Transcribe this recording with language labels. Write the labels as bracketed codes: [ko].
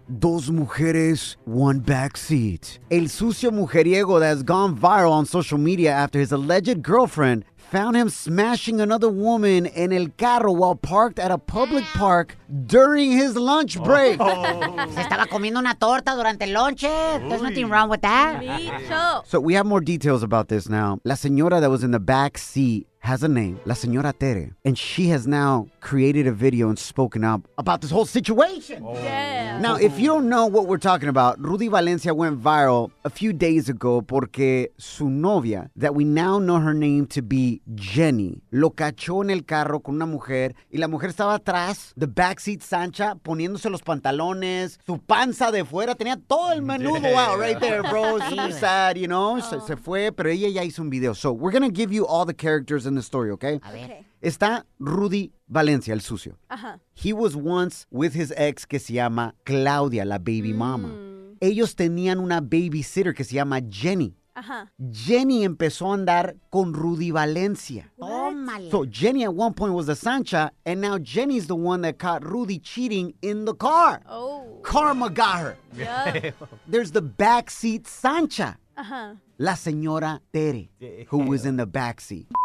[es] Dos mujeres, [en] one backseat. [es] El sucio mujeriego [en] that has gone viral on social media after his alleged girlfriend found him smashing another woman in [es] el carro [en] while parked at a public park during his lunch break. [es] Se estaba comiendo una torta durante el lunch. [en] There's nothing wrong with that. So we have more details about this now. La señora that was in the back seat has a name, La Señora Tere. And she has now created a video and spoken up about this whole situation. Oh. Yeah. Now, if you don't know what we're talking about, Rudy Valencia went viral a few days ago [es] porque su novia, [en] that we now know her name to be Jenny, [es] lo cachó en el carro con una mujer y la mujer estaba atrás, [en] the backseat Sancha, [es] poniéndose los pantalones, su panza de fuera, tenía todo el menudo [en] out right there, bro. Super sad, you know? [es] Se fue, pero ella ya hizo un video. [en] So, we're gonna give you all the characters in the story, okay? [es] A ver. Okay. Está Rudy Valencia, el sucio. Uh-huh. [en] He was once with his ex [es] que se llama Claudia, [en] la baby mama. [es] Ellos tenían una babysitter que se llama Jenny. Uh-huh. Jenny empezó a andar con Rudy Valencia. Tómale. [en] So Jenny at one point was the Sancha, and now Jenny's the one that caught Rudy cheating in the car. Oh. Karma got her. Yeah. There's the backseat Sancha. Uh-huh. La señora Tere, who was in the backseat.